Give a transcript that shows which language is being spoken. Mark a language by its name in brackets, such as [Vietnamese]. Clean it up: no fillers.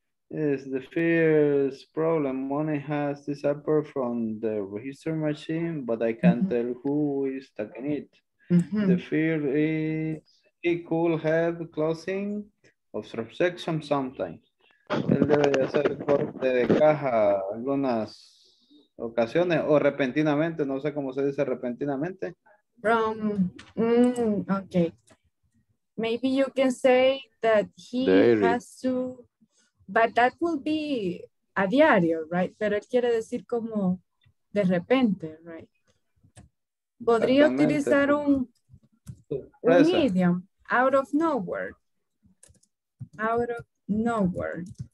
[English] Yes, the first problem, money has disappeared from the register machine, but I can't tell who is taking it. The fear is he could have closing of transaction sometime. [Spanish] Él debe hacer corte de caja algunas ocasiones o repentinamente, no sé cómo se dice repentinamente. [English] Okay. Maybe you can say that he Daily. Has to, but that will be [Spanish] a diario, [English] right? [Spanish] Pero él quiere decir como de repente, right? Podría utilizar un idiom, [English] out of nowhere. Out of nowhere.